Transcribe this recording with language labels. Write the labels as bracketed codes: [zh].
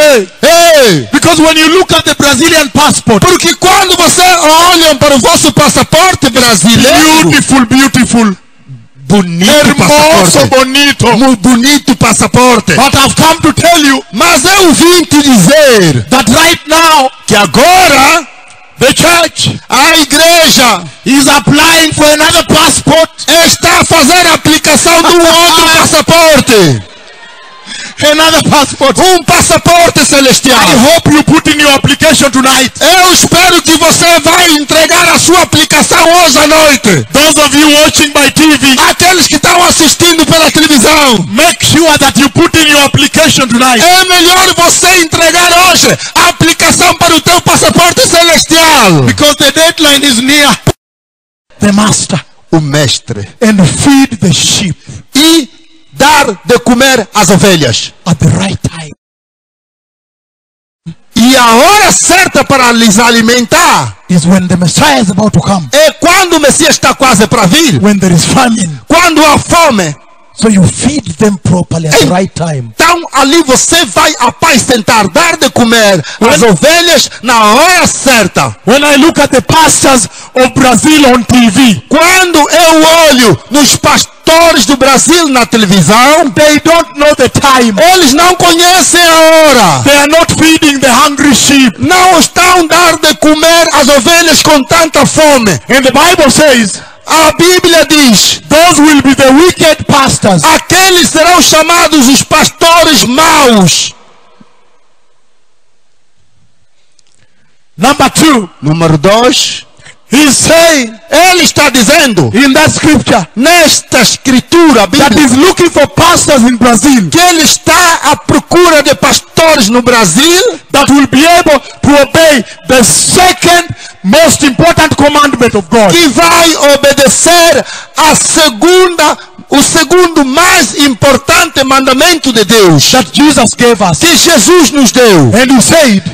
[en] Because when you look at the Brazilian passport, [pt] porque quando você olha para o vosso passaporte brasileiro, [en] beautiful, beautiful, [pt] bonito, [es] hermoso, [pt] passaporte, bonito, muito bonito passaporte. [en] But I've come to tell you, [pt] mas eu vim te dizer [en] that right now, [pt] que agora [en] the church, [pt] a igreja, [en] is applying for another passport, [pt] está a fazer a aplicação de um outro passaporte. [en] Another passport. [pt] Um passaporte celestial. [en] I hope you put in your application tonight. [pt] Eu espero que você vai entregar a sua aplicação hoje à noite. [en] Those of you watching by TV. [pt] Aqueles que estão assistindo pela televisão. [en] Make sure that you put in your application tonight. [pt] É melhor você entregar hoje a aplicação para o teu passaporte celestial. [en] Because the deadline is near. The master. [pt] O mestre. [en] And feed the sheep. [pt] E dar de comer as ovelhas. [en] At the right time. [pt] E a hora certa para lhes alimentar [en] is when the Messiah is about to come. [pt] É quando o Messias está quase para vir. [en] When there is famine. [pt] Quando há fome. [en] So you feed them properly at the right time. [pt] Então ali você vai apacentar, dar de comer as ovelhas na hora certa. [en] When I look at the pastors of Brazil on TV. [pt] Quando eu olho nos pastores do Brasil na televisão, [en] they don't know the time. [pt] Eles não conhecem a hora. [en] They are not feeding the hungry sheep. [pt] Não estão dar de comer as ovelhas com tanta fome. [en] And the Bible says, [pt] a Bíblia diz, [en] those will be the wicked pastors. [pt] Aqueles serão chamados os pastores maus. [en] Number two. [pt] Número 2. [en] He say, [pt] ele está dizendo, [en] in that scripture, [pt] nesta escritura, Bíblia, [en] that is looking for pastors in Brazil. [pt] Que ele está à procura de pastores no Brasil, [en] that will be able to obey the second most important commandment of God. [pt] Que vai obedecer a segunda, o segundo mais importante mandamento de Deus, [en] that Jesus gave us. [pt] Que Jesus nos deu. [en] And he said,